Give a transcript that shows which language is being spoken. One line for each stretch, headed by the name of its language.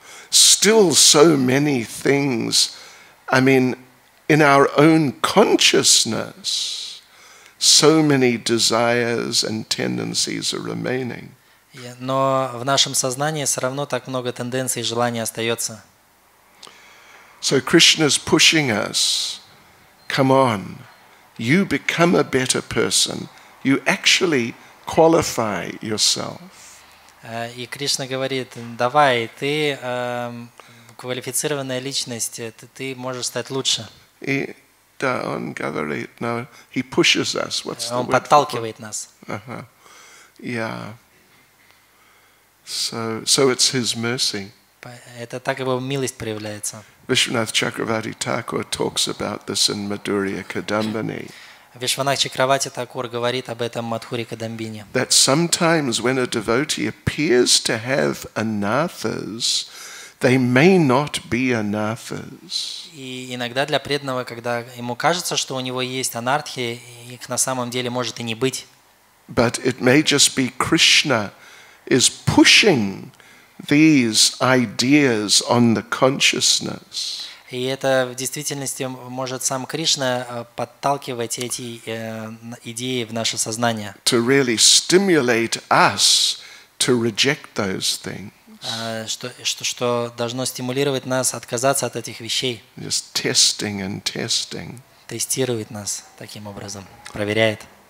English: Still so many things, I mean, in our own consciousness, so many desires and tendencies are remaining.
Russian: Но в нашем сознании все равно так много тенденций и желаний остается.
English: So Krishna's pushing us, come on, you become a better person. You actually qualify yourself.
Russian: И Кришна говорит: давай, ты квалифицированная личность, ты можешь стать лучше. И да, он говорит, но
English: he pushes us. What's
Russian: он подталкивает нас.
English: Uh-huh. Yeah. So it's his mercy.
Russian: Это так его милость проявляется.
English: Вишванатх Чакравати Тхакур talks about this in Madhurya Kadambini.
Russian: Вишванатх Чакравати Тхакур говорит об этом Мадхури Кадамбине.
English: That sometimes when a devotee appears to have anathas, they may not be anathas.
Russian: И иногда для преданного, когда ему кажется, что у него есть анартхи, их на самом деле может и не быть.
English: But it may just be Krishna is pushing these ideas on the consciousness.
Russian: И это в действительности может сам Кришна подталкивать эти идеи в наше сознание.
English: To really stimulate us to reject those things.
Russian: Что должно стимулировать нас отказаться от этих вещей.
English: Just testing and testing.
Russian: Тестирует нас таким образом, проверяет.